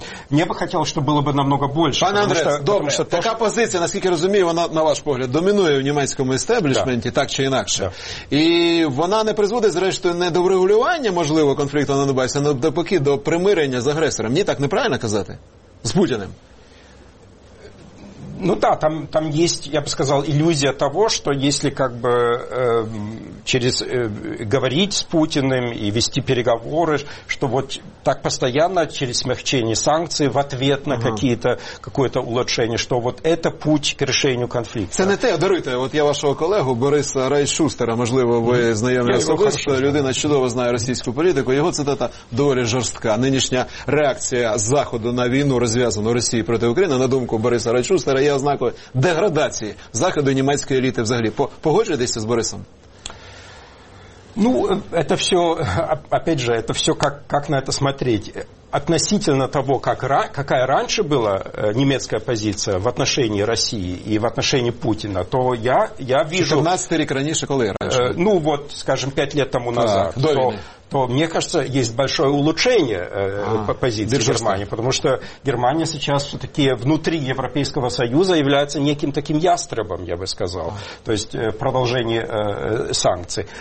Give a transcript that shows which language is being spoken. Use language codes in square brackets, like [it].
[ru] Мне бы хотелось, чтобы было бы намного больше. [uk] Пане Андрес, такая позиція, наскільки розумію, вона, на ваш погляд, домінує в німецькому естеблішменті, так чи інакше. І вона не призводить, зрештою, не до врегулювання, можливо, конфлікту на Донбасі, а навпаки до примирення з агресором. Ні, так неправильно казати? З Путіним. [ru] Ну да, там есть, я бы сказал, иллюзия того, что если как бы через говорить с Путиным и вести переговоры, что вот так постоянно через смягчение санкций в ответ на какое-то улучшение, что вот это путь к решению конфликта. [uk] Це не те, даруйте, вот я вашого колегу Бориса Райшустера, можливо, ви знайомі особисто, людина чудово знає російську політику, його цитата доволі жорстка. Нинішня реакція Заходу на війну, розв'язану Росією проти України, на думку Бориса Райшустера, є ознакою деградації Заходу і німецької еліти взагалі. Погоджуєтеся з Борисом? [ru] Ну, это все, опять же, это все как на это смотреть. Относительно того, какая раньше была немецкая позиция в отношении России и в отношении Путина, то я вижу... 14 лет раньше, когда раньше? Ну, вот, скажем, 5 лет тому назад. То, мне кажется, есть большое улучшение позиции Германии, потому что Германия сейчас все-таки внутри Европейского Союза является неким таким ястребом, я бы сказал, то есть продолжение санкций.